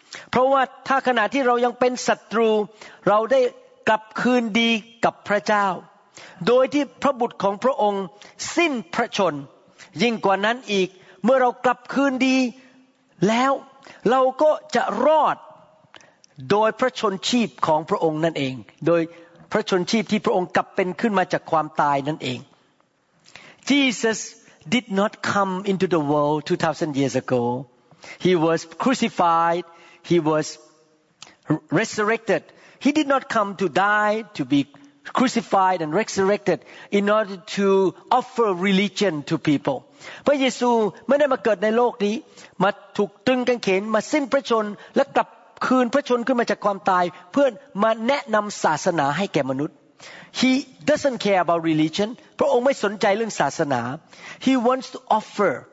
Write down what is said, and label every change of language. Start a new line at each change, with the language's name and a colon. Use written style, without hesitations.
Thai: เพราะว่าถ้าขณะที่เรายังเป็นศัตรูเราได้กลับคืนดีกับพระเจ้าโดยที่พระบุตรของพระองค์สิ้นพระชนยิ่งกว่านั้นอีกเมื่อเรากลับคืนดีแล้วเราก็จะรอดโดยพระชนชีพของพระองค์นั่นเองโดยพระชนชีพที่พระองค์กลับเป็นขึ้นมาจากความตายนั่นเอง
English: Jesus did not come into the world 2,000 years ago. He was crucified. He was resurrected. He did not come to die, to be crucified and resurrected in order to offer religion to people.
Thai: พระเยซูไม่ได้มาเกิดในโลกนี้มาถูกตรึงกางเขนมาสิ้นพระชนม์และกลับคืนพระชนม์ขึ้นมาจากความตายเพื่อมาแนะนำศาสนาให้แก่มนุษย์
English: He doesn't care about religion
Thai: พระองค์ไม่สนใจเรื่องศาสนา
English: He wants to offer